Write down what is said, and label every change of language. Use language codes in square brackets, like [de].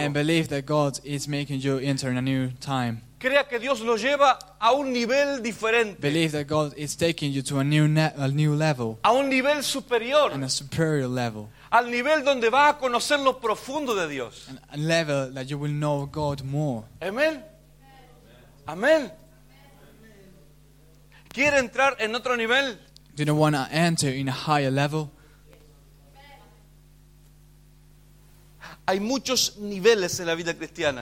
[en] And believe that God is making you enter in a new time. [es] Crea que Dios lo lleva a un nivel diferente. [en] Believe that God is taking you to a new level. [es] A un nivel superior. [en] And a superior level. [es] Al nivel donde va a conocer lo profundo de Dios. [en] And a level that you will know God more. [es] Amen. Amén. ¿Quiere entrar en otro nivel? [en] Do you want to enter in a higher level? [es] Hay muchos niveles en la vida cristiana.